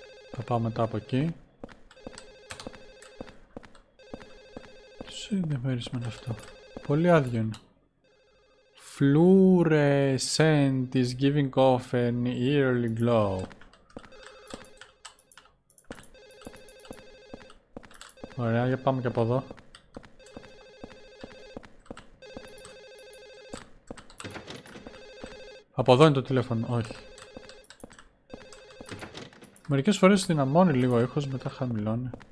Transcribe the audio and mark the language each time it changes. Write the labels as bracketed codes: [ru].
[el] Θα πάω μετά από εκεί. Τι συνδεμέρισμα είναι αυτό? Πολύ άδειο είναι. [en] Fluorescent is giving off an eerie glow. [el] Ωραία, για πάμε και από εδώ. Από εδώ είναι το τηλέφωνο, όχι. Μερικές φορές δυναμώνει λίγο ο ήχος, μετά χαμηλώνει.